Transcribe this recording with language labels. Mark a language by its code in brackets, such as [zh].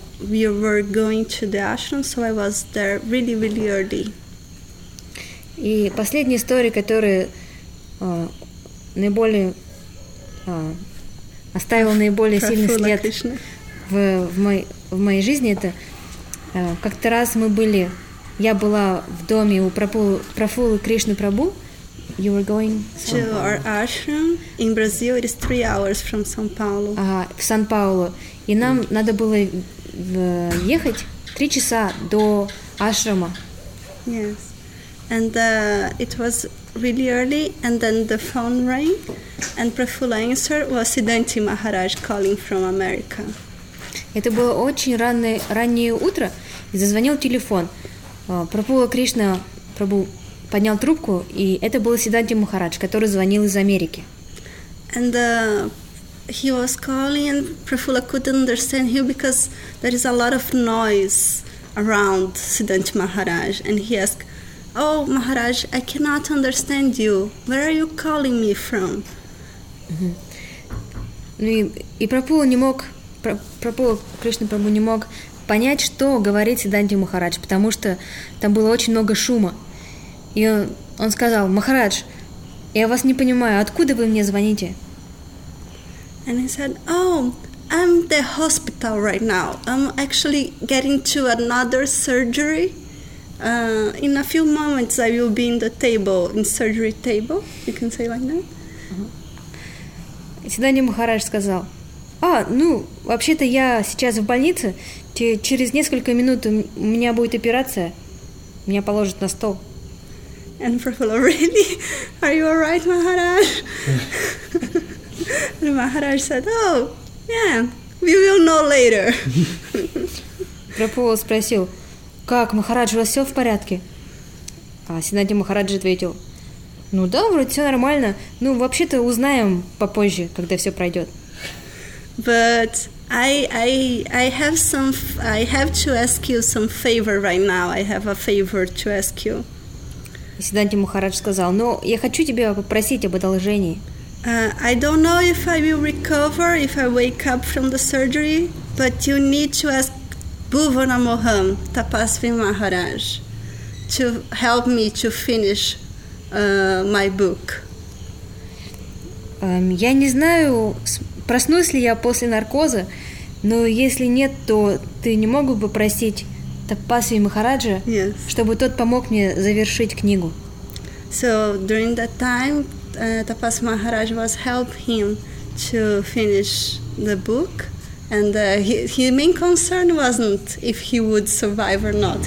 [en] We were going to the ashram, so I was there really, really early. [ru] И последняя история, которая наиболее оставила наиболее сильный след в моей жизни, это как-то раз я была в доме у Прафулы Кришны Прабу. [en] You were going to our ashram in Brazil. It is 3 hours from São Paulo. [ru] В Сан-Паулу. И нам надо было ехать 3 часа до ашрама. [en] Yes. And it was really early, and then the phone rang, and Prafula answered was Сиддханта Махарадж calling from America. [ru] Это было очень раннее утро, и зазвонил телефон. Прабхула Кришна Прабу поднял трубку, и это был Сиддханта Махарадж, который звонил из Америки. [en] And he was calling, and Прабхула couldn't understand him because there is a lot of noise around Сиддханта Махарадж. And he asked, "Oh, Maharaj, I cannot understand you. Where are you calling me from?" [ru] Ну и Кришна Прабху не мог понять, что говорит Сиддханта Махарадж, потому что там было очень много шума. И он сказал: "Махарадж, я вас не понимаю, откуда вы мне звоните?" [en] And he said, "Oh, I'm at the hospital right now. I'm actually getting to another surgery. In a few moments I will be in the table, in surgery table." You can say like that. [ru] Сиддханта Махарадж сказал: "А, ну, вообще-то я сейчас в больнице. Через несколько минут у меня будет операция. Меня положат на стол." [en] And Prabhupada, "Really? Are you alright, Maharaj?" And Maharaj said, "Oh, yeah, we will know later." [ru] Prabhupada спросил: "Как, Махарадж, у вас все в порядке?" А Сиддханта Махарадж ответил: "Ну да, вроде все нормально. Ну, вообще-то узнаем попозже, когда все пройдет." [en] But I have to ask you some favor right now. I have a favor to ask you. [ru] Сиддханта Махарадж сказал: "Ну, я хочу тебя попросить об одолжении." [en] I don't know if I will recover if I wake up from the surgery, but you need to ask Bhuvana Moham, Tapasvi Maharaj, to help me to finish my book. [ru] Я не знаю, проснусь ли я после наркоза, но если нет, то ты не мог бы попросить Тапасви Махараджа, [en] yes, [ru] чтобы тот помог мне завершить книгу? [en] So during that time, Tapasvi Maharaj was helping him to finish the book. And his main concern wasn't if he would survive or not.